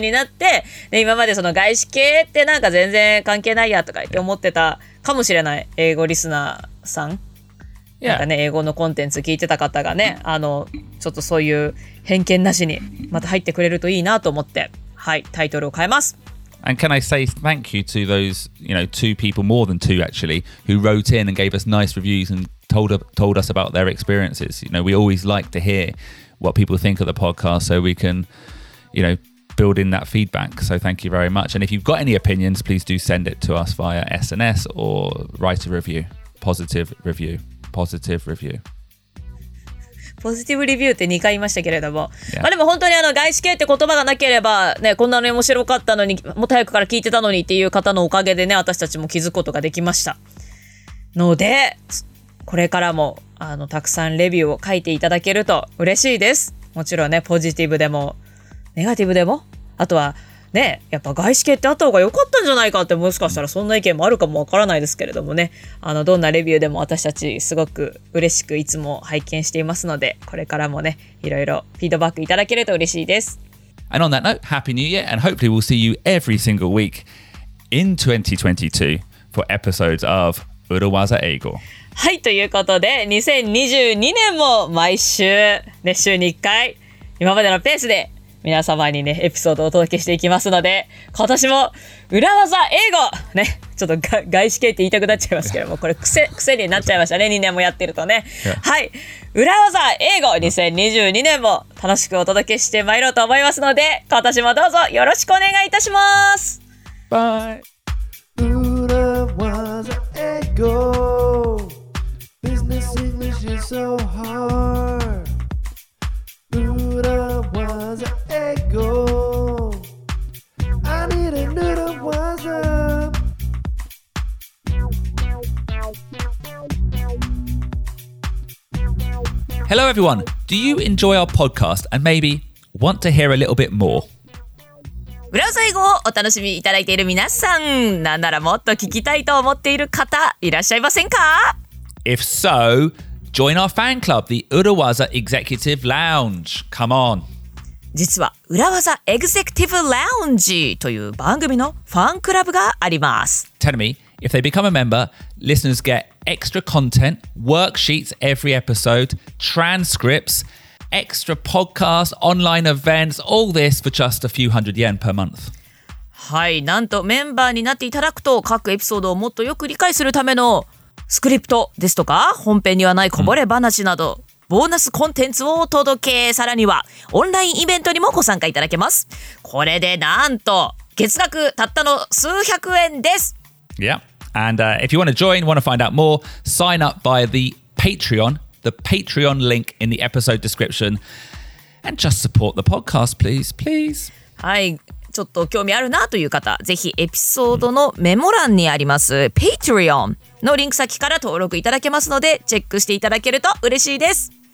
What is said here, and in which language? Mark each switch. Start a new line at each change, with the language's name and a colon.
Japanese: になって、ね、今までその外資系ってなんか全然関係ないやとか言って思ってたかもしれない英語リスナーさん、 yeah. なんかね、英語のコンテンツ聞いてた方がねあのちょっとそういう偏見なしにまた入ってくれるといいなと思って、はい、タイトルを変えます。
English: And can I say thank you to those, you know, two people, more than two actually, who wrote in and gave us nice reviews and told us about their experiences. You know, we always like to hear what people think of the podcast so we can, you know, build in that feedback. So thank you very much. And if you've got any opinions, please do send it to us via SNS or write a review, positive review, positive review. Positive review
Japanese: って2回言いましたけれども、
English: yeah.
Japanese: まあでも本当にあの外資系って言葉がなければね、こんなに面白かったのに、もっと早くから聞いてたのにっていう方のおかげでね、私たちも気づくことができましたので、これからもあのたくさんレビューを書いていただけると嬉しいです。もちろんね、ポジティブでもネガティブでも、あとはね、やっぱ外資系ってあった方が良かったんじゃないかって、もしかしたらそんな意見もあるかもわからないですけれどもね、あのどんなレビューでも私たちすごく嬉しくいつも拝見していますので、これからもね、いろいろフィードバックいただけると嬉しいです。
English: And on that note, Happy New Year, and hopefully we'll see you every single week in 2022 for episodes of Urowaza Eigo.
Japanese: はい、ということで2022年も毎週ね、週に1回今までのペースで皆様にね、エピソードをお届けしていきますので、今年も裏技英語ね、ちょっと外資系って言いたくなっちゃいますけども、これ癖になっちゃいましたね、2年もやってるとね、はい、裏技英語2022年も楽しくお届けしてまいろうと思いますので、今年もどうぞよろしくお願いいたします。バイ。裏技英語、ビジネスイングリッシュ
English: so hard。 Urawaza Eigo. I need an Urawaza. Hello everyone. Do you enjoy our podcast and maybe want to hear a little bit more?
Japanese: Urawaza Eigo をお楽しみいただいている皆さん、なんならもっと聞きたいと思っている方いらっしゃいませんか?
English: If so,Join our fan club, the Urawaza Executive Lounge. Come on.
Japanese: 実は Urawaza Executive Lounge という番組のファンクラブがあります。
English: Tell me, if they become a member, listeners get extra content, worksheets every episode, transcripts, extra podcasts, online events, all this for just a few hundred yen per month.
Japanese: はい、なんとメンバーになっていただくと、各エピソードをもっとよく理解するためのスクリプトですとか、本編にはないこぼれ話など、ボーナスコンテンツをお届け、さらにはオンラインイベントにもご参加いただけます。これでなんと、月額たったの数百円です。
English: Yeah, and if you want to join, want to find out more, sign up via the Patreon link in the episode description, and just support the podcast, please, please.
Japanese: はい。ちょっと興味あるなという方、ぜひエピソードのメモ欄にあります Patreon のリンク先から登録いただけますので、チェックしていただけると嬉しいです。